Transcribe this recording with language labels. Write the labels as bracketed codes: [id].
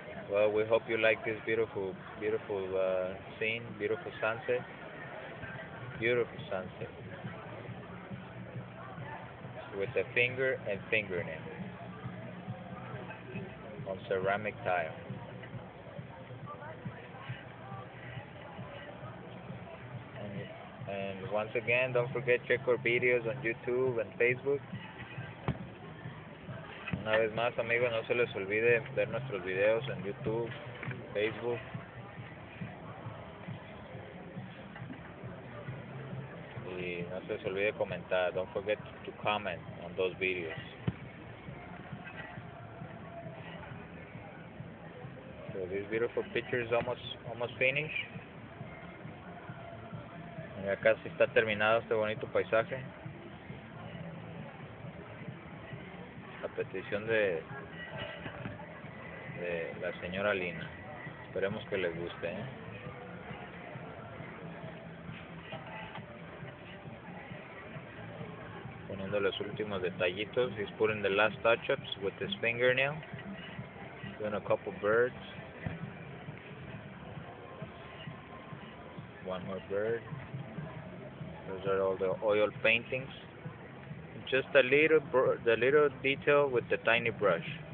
[en] Well, we hope you like this beautiful scene, beautiful sunset, with a finger and fingernail on ceramic tile. And once again, don't forget, check our videos on YouTube and Facebook. [es] Una vez más, amigos, no se les olvide ver nuestros videos en YouTube, Facebook. Y no se les olvide comentar. [en] Don't forget to comment on those videos. So this beautiful picture is almost finished. [es] Ya casi está terminado este bonito paisaje. A petición de la señora Lina. Esperemos que les guste, Poniendo los últimos detallitos. [en] He's putting the last touch-ups with his fingernail. Doing a couple birds. One more bird. Those are all the oil paintings. Just the little detail with the tiny brush.